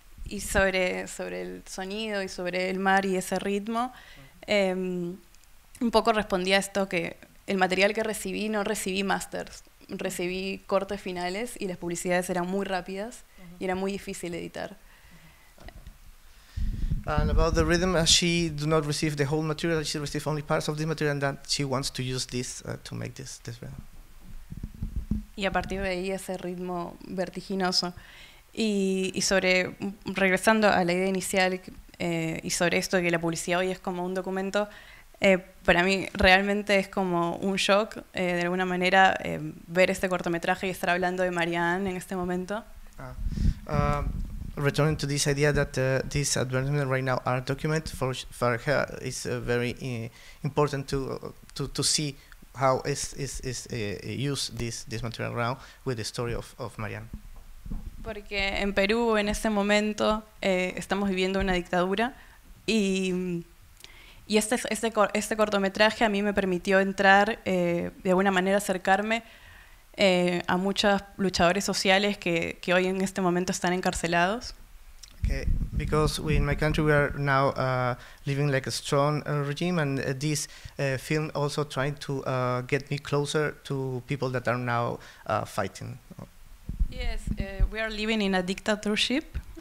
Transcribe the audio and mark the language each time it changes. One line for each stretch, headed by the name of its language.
Spanish: Y sobre el sonido y sobre el mar y ese ritmo, un poco respondí a esto que el material que recibí, no recibí masters, recibí cortes finales y las publicidades eran muy rápidas y era muy difícil editar.
English: And about the rhythm, she do not receive the whole material, she receive only parts of the material, and that she wants to use this to make this rhythm.
Spanish: Y a partir de ahí ese ritmo vertiginoso. Y sobre, regresando a la idea inicial, y sobre esto de que la publicidad hoy es como un documento, para mí realmente es como un shock, de alguna manera, ver este cortometraje y estar hablando de Marianne en este momento.
English: Returning to this idea that these advertisements right now are documents for her, it's very important to see how is used this material around with the story of Marianne.
Spanish: Porque en Perú en este momento estamos viviendo una dictadura y este cortometraje a mí me permitió entrar de alguna manera acercarme a muchos luchadores sociales que hoy en este momento están encarcelados.
English: Okay, because we in my country we are now living like a strong regime, and this film also trying to get me closer to people that are now fighting. Yes, we are living in a dictatorship.